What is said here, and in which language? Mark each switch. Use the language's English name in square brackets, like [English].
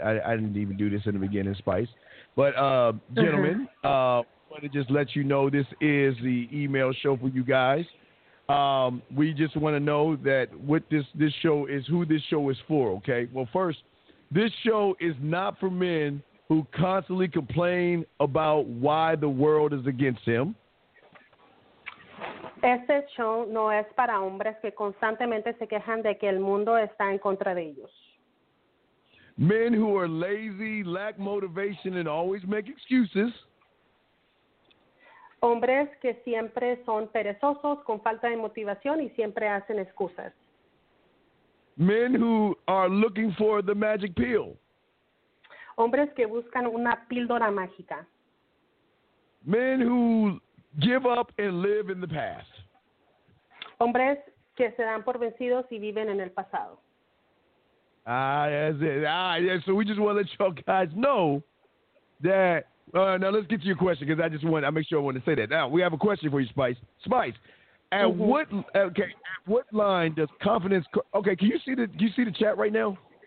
[English] I didn't even do this in the beginning, Spice. But gentlemen, want to just let you know this is the email show for you guys. We just want to know that what this show is, who this show is for. Okay. Well, first, this show is not for men who constantly complain about why the world is against him. [Spanish] Este show no es para hombres que constantemente se quejan de que el mundo está en contra de ellos. [English] Men who are lazy, lack motivation, and always make excuses. [Spanish] Hombres que siempre son perezosos, con falta de motivación y siempre hacen excusas. [English] Men who are looking for the magic pill. [Spanish] Hombres que buscan una píldora mágica. [English] Men who give up and live in the past. [Spanish] Hombres que se dan por vencidos y viven en el pasado. [English] So we just want to let you guys know that. Now let's get to your question because I want to say that. Now we have a question for you, Spice. Spice, at what line does confidence? Okay, can you see the chat right now?